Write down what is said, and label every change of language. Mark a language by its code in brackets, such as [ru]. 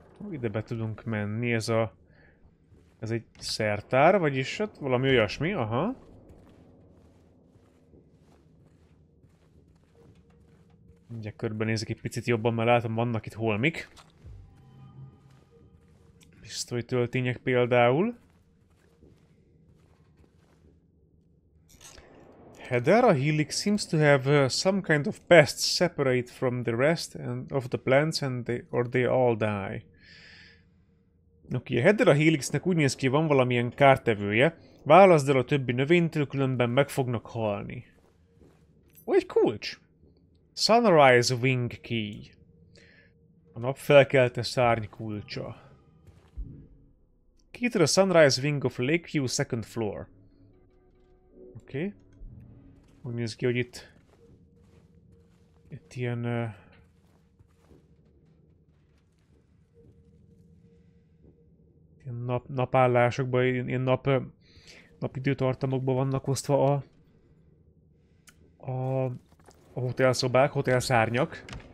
[hu] Ide be tudunk menni, ez egy szertár, vagyis hát valami olyasmi, aha. Mindjárt körbenézek egy picit jobban, mert látom, vannak itt holmik. Pisztoly töltények például. [en] Heather, a helix seems to have some kind of pest separate from the rest and of the plants and they all die. [hu] Oké, a Heather a Helixnek úgy néz ki, van valamilyen kártevője. Válaszd el a többi növénytől, különben meg fognak halni. Ó, egy kulcs! [en] Sunrise Wing Key. [hu] A nap felkelte szárny kulcsa. [en] Key to the Sunrise Wing of Lakeview, second floor. [hu] Oké. Úgy néz ki, hogy itt ilyen... napállásokban, ilyen napidőtartamokban vannak osztva a hotelszobák, hotelszárnyak.